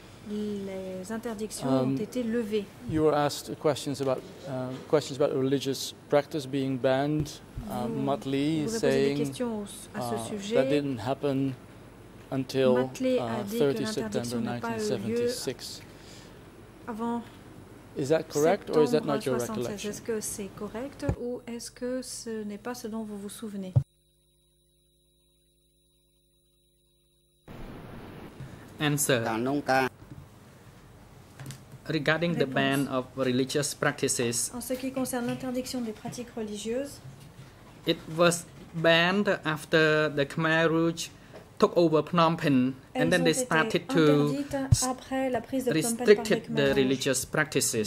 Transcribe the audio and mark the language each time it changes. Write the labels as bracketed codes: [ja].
[en] You were asked questions about religious practice being banned. Mat Li is saying that didn't happen until 30 September 1976. [fr] Avant [en] is that correct or is that not your recollection? [fr] Est-ce que c'est correct ou est-ce que ce n'est pas ce dont vous vous souvenez? [en] Answer. regarding the ban of religious practices. [fr] En ce qui concerne l'interdiction des pratiques religieuses. [en] It was banned after the Khmer Rouge took over Phnom Penh, and then they started to restrict the religious practices.